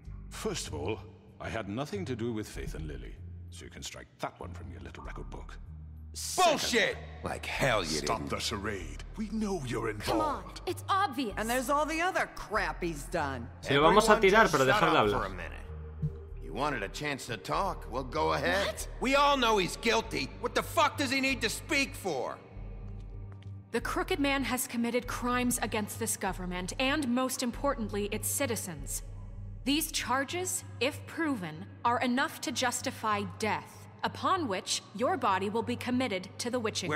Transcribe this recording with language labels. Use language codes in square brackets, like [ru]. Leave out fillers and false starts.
[en] First of all, I had nothing to do with Faith and Lily, so you can strike that one from your little record book. Bullshit! Like hell you didn't. Stop the charade. We know you're involved. Come on, it's obvious. And there's all the other crap he's done. [es] Se lo vamos a tirar, pero dejarle hablar. [en] You wanted a chance to talk? Well, go ahead. What? We all know he's guilty. What the fuck does he need to speak for? The Crooked Man has committed crimes against this government, and most importantly, its citizens. These charges, if proven, are enough to justify death, upon which your body will be committed to the witching